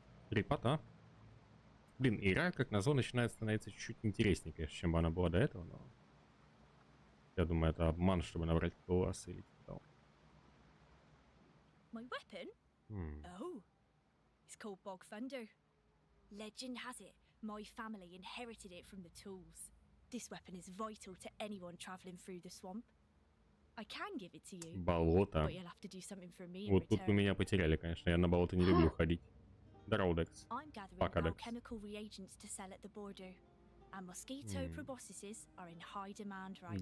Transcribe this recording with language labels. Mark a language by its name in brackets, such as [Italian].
[Russian] Репота. Блин, игра, как назло, начинает становиться чуть-чуть интереснее, конечно, чем бы она была до этого, но... Я думаю, это обман, чтобы набрать класс или что-то. Мой weapon? [English] Oh, it's called Bog Thunder. Legend has it, my family inherited it from the Tools. This weapon is vital to anyone traveling through the swamp. I can give it to you. [Russian] Болото. [English] But you'll have to do something for me. [Russian] Вот тут вы меня потеряли, конечно. Я на болото не люблю ходить. Здорово, Декс. [English] I'm gathering alchemical reagents to sell at the border. And mosquito proboscises are in high demand right now.